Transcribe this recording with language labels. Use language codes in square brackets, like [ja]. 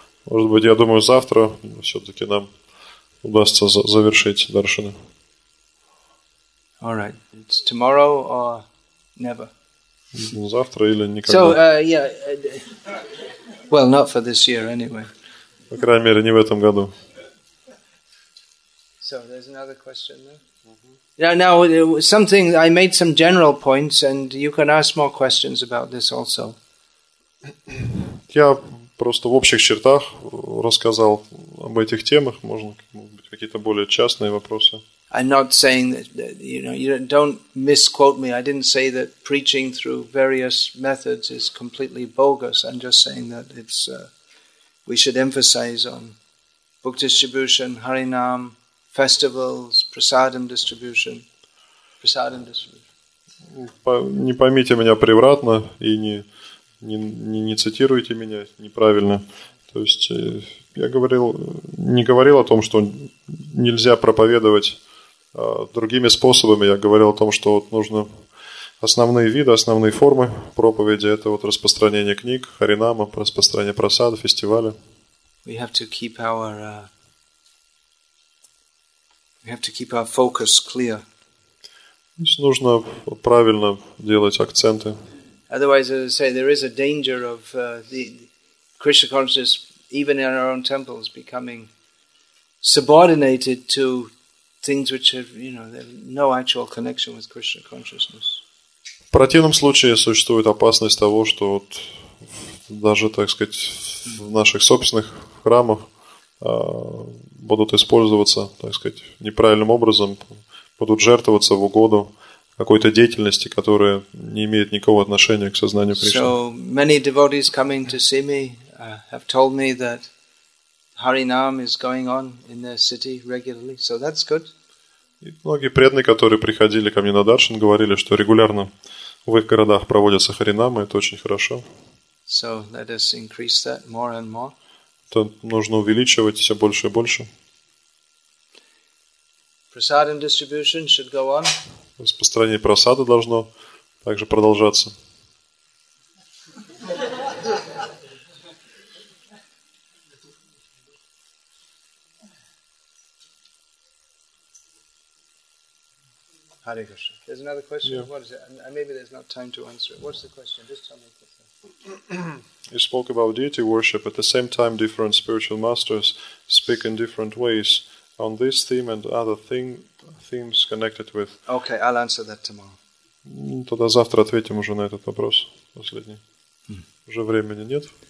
[ru] Может быть, я думаю, завтра все-таки нам удастся завершить даршаны. [en] All right, it's tomorrow or never. [ru] Завтра или никогда. [en] So, yeah. Well, not for this year, anyway. [ru] По крайней мере, не в этом году. [en] So, there's another question there. Mm-hmm. Now, something, I made some general points, and you can ask more questions about this also. [ru] Я просто в общих чертах рассказал об этих темах. Можно, может быть, какие-то более частные вопросы. [en] I'm not saying that, you know, you don't misquote me. I didn't say that preaching through various methods is completely bogus. I'm just saying that it's we should emphasize on book distribution, Harinam, festivals, prasadam distribution. [ru] Не поймите меня превратно и не цитируйте меня неправильно. То есть я не говорил о том, что нельзя проповедовать другими способами. Я говорил о том, что вот нужно основные виды, основные формы проповеди. Это вот распространение книг, харинама, распространение просад, фестиваля. [en] We have to keep our focus clear. [ru] Нужно правильно делать акценты. [en] Otherwise, as I say, there is a danger of the Krishna consciousness, even in our own temples, becoming subordinated to things which have, you know, they have no actual connection with Krishna consciousness. [ru] В противном случае существует опасность того, что вот даже, так сказать, в наших собственных храмах будут использоваться, так сказать, неправильным образом, будут жертвоваться в угоду какой-то деятельности, которая не имеет никакого отношения к сознанию Кришны. [en] So many devotees coming to see me have told me that Harinam is going on in their city regularly, so that's good. [ru] И многие преданные, которые приходили ко мне на даршан, говорили, что регулярно в их городах проводятся харинамы, это очень хорошо. [en] So let us increase that more and more. [ru] Это нужно увеличивать все больше и больше. [en] Prasadam distribution should go on. [ru] Распространение просады должно также продолжаться. [en] Hare Krishna. There's another question. Yeah. What is it? Maybe there's not time to answer it. What's the question? Just tell me. You spoke about deity worship. At the same time, different spiritual masters speak in different ways on this theme and other themes connected with. Okay, I'll answer that tomorrow. [ru] Тогда завтра ответим уже на этот вопрос последний. Уже времени нет.